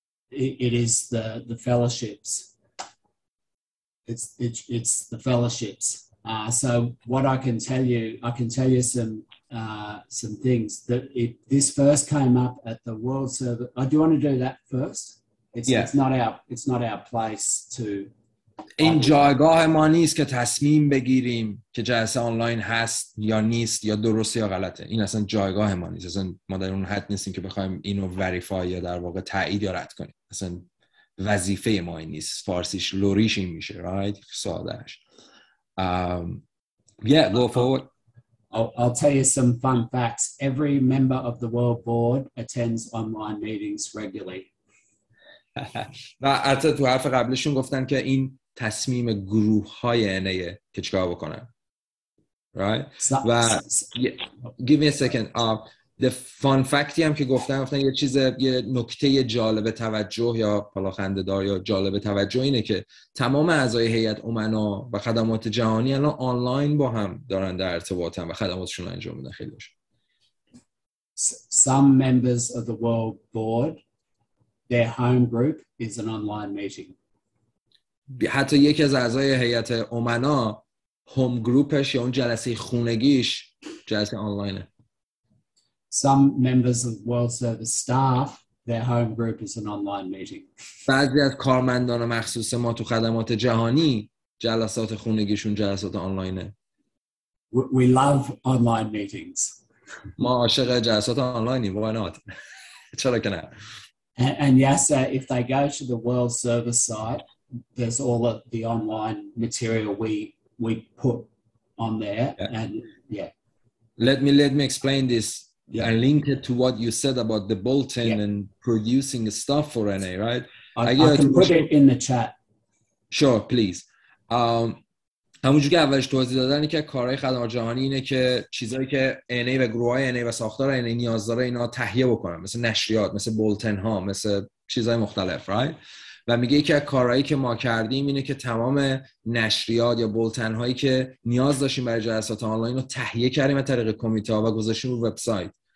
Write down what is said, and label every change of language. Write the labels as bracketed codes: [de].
[en] It is the fellowships. It's the fellowships. So what I can tell you some things that this first came up at the World Service. Oh, do you want to do that first? It's not our place to. [fa] این جایگاه ما نیست که تصمیم بگیریم که جلسه آنلاین هست یا نیست یا درسته یا غلطه. این اصلا جایگاه ما نیست، اصلا ما در اون حد نیستیم که بخوایم اینو وریفای یا در واقع تایید یا رد کنیم. اصلا وظیفه ما این نیست. فارسیش لوریش این میشه، رایت سادهش. [en] Go forward. I'll tell you some fun facts. Every member of the World Board attends online meetings regularly. [fa] و حتی تو حرف قبلشون گفتن که این تصمیم گروه های NA که چکار بکنن. [en] right? و give me a second. The fun factی [fa] هم که گفتن یه چیز یه نکته جالب توجه یا پلاخنده‌دار یا جالب توجه اینه که تمام اعضای هیئت امنا و خدمات جهانی الان آنلاین با هم دارن در ارتباطن و خدماتشون انجام میدن خیلی خوش. [en] Some members of the World Board, their home group is an online meeting. [fa] حتی یکی از اعضای هیئت امنا هوم گروپش یا اون جلسه خونگیش جلسه آنلاینه. [en] Some members of World Service staff, their home group is an online meeting. [fa] بعضی از کارمندان مخصوص ما تو خدمات جهانی جلسات خونگیشون جلسات آنلاینه. [en] We love online meetings. [fa] ما عاشق جلسات آنلاینی، [en] why not؟ [fa] چرا که نه؟ [en] And Yasser, if they go to the World Service site, there's all of the online material we put on there. Yeah. And yeah. Let me explain this. Yeah. And link it to what you said about the bulletin and producing stuff for NA, right? I can put it in the chat. Sure, please. [fa] همونجور که اولش توضیح دادن این که کارهای خدمات جهانی اینه که چیزایی که NA و گروه های NA و ساختار NA نیاز داره اینا تهیه بکنن، مثل نشریات، مثل بولتن ها، مثل چیزهای مختلف، right؟ و میگه یکی از کارهایی که ما کردیم اینه که تمام نشریات یا بولتن هایی که نیاز داشتیم برای جلسات آنلاین رو تهیه کردیم از طریق کمیته ها و گذاشتیم رو وبسایت.